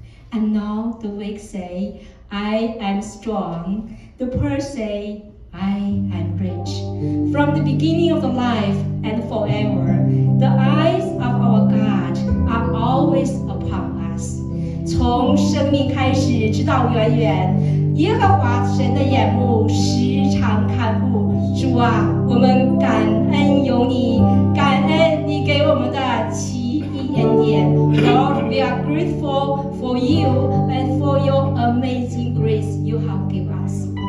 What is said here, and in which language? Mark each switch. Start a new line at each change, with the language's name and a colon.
English: And now the weak say, I am strong. The poor say, I am rich. From the beginning of the life and forever, the eyes of our God are always upon us.
Chinese: 从生命开始直到永远，耶和华神的眼目时常看顾。主啊，我们感恩有你，感恩你给我们的奇异恩典。
English: Lord, we are grateful for you and for your amazing grace you have given us.